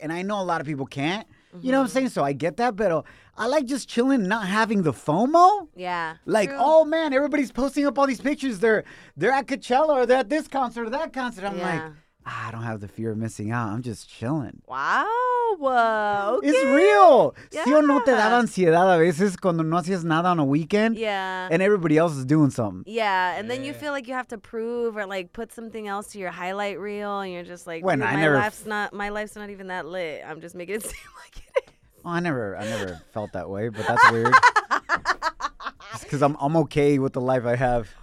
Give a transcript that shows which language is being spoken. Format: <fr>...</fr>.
<en>And I know a lot of people can't. Mm-hmm. You know what I'm saying? So I get that, but I like just chilling, not having the FOMO. Yeah. Like, oh man, everybody's posting up all these pictures. They're at Coachella or they're at this concert or that concert. I'm like, I don't have the fear of missing out. I'm just chilling. Wow. Okay. It's real.</en> <es>¿Sí o no te daba ansiedad a veces cuando no hacías nada</es> <en>on a weekend? Yeah. And everybody else is doing something. Yeah. And then you feel like you have to prove or like put something else to your highlight reel. And you're just like, my life's not even that lit. I'm just making it seem like it is. Well, I never felt that way, but that's weird. Just because I'm okay with the life I have.</en>